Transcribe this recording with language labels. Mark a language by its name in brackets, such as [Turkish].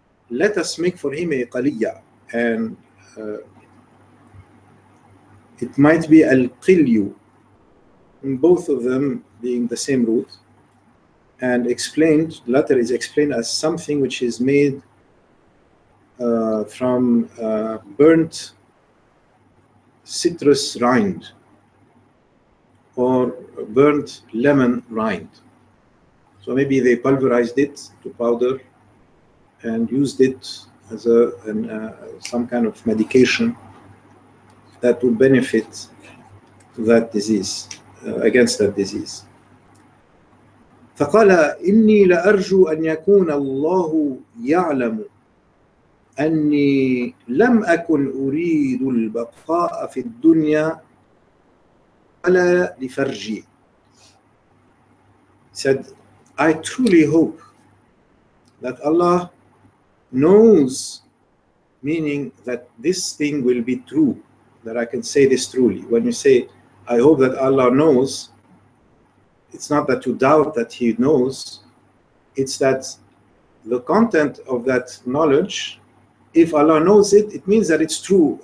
[English] Let us make for him a قلية. And it might be al-qilyu, in both of them being the same root, and explained, latter is explained as something which is made from burnt citrus rind or burnt lemon rind. So maybe they pulverized it to powder and used it as a some kind of medication that would benefit that disease against that disease. [Arabic] فقال إني لأرجو أن يكون الله يعلم أني لم أكن أريد البقاء في الدنيا ولا لفرجي. [English] Said, I truly hope that Allah knows, meaning that this thing will be true, that I can say this truly. When you say, I hope that Allah knows, it's not that you doubt that he knows, it's that the content of that knowledge, if Allah knows it, it means that it's true.